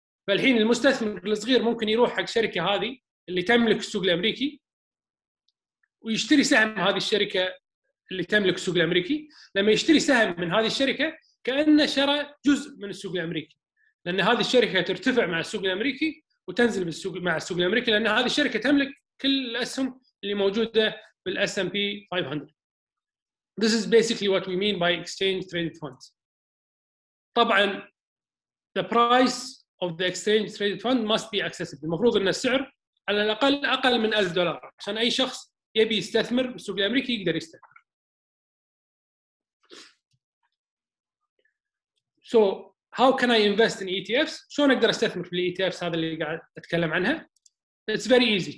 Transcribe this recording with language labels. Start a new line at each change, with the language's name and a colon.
Arabic: فالحين المستثمر الصغير ممكن يروح حق الشركه هذه اللي تملك السوق الامريكي ويشتري سهم هذه الشركه اللي تملك السوق الامريكي. لما يشتري سهم من هذه الشركه كانه شرى جزء من السوق الامريكي، لان هذه الشركه ترتفع مع السوق الامريكي وتنزل بالسوق مع السوق الامريكي، لان هذه الشركه تملك كل الاسهم اللي موجوده بالاس ام بي 500.
English: This is basically what we mean by exchange traded funds.
Arabic: طبعا
English: the price of the exchange traded fund must be accessible.
Arabic: المفروض ان السعر على الاقل اقل من $1,000 عشان اي شخص يبي يستثمر بالسوق الامريكي يقدر يستثمر.
English: So how can I invest in ETFs?
Arabic: شلون اقدر استثمر في الـ ETFs هذا اللي قاعد اتكلم عنها؟
English: It's very easy.